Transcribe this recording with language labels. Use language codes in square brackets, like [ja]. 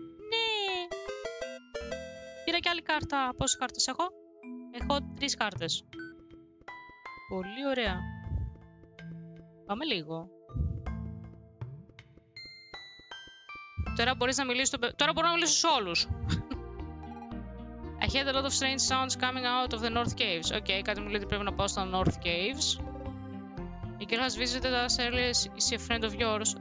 [el] Ναι. Πήρα και άλλη κάρτα. Πόσες κάρτες έχω? Έχω 3 κάρτες. Πολύ ωραία. Πάμε λίγο. Τώρα μπορείς να μιλήσεις στο... Τώρα μπορώ να μιλήσω σε όλους. [en] I heard a lot of strange sounds coming out of the North Caves. [el] Οκ, okay, κάτι μου λέει ότι πρέπει να πάω στα North Caves. [en] A girl has visited us earlier, is a friend of yours.